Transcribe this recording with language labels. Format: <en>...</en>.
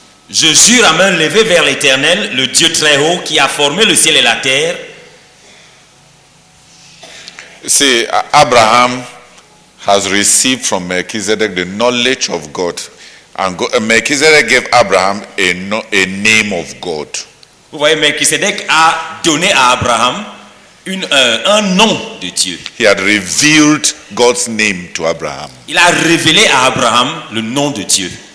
<fr>Je jure à main levée vers l'Éternel, le Dieu très haut, qui a formé le ciel et la terre.</fr> <en>See, Abraham has received from Melchizedek the knowledge of God, and Melchizedek gave Abraham a name of God.</en> <fr>Vous voyez, Melchizedek a donné à Abraham un nom de Dieu.</fr> <en>He had revealed God's name to Abraham.</en> <fr>Il a révélé à Abraham le nom de Dieu.</fr>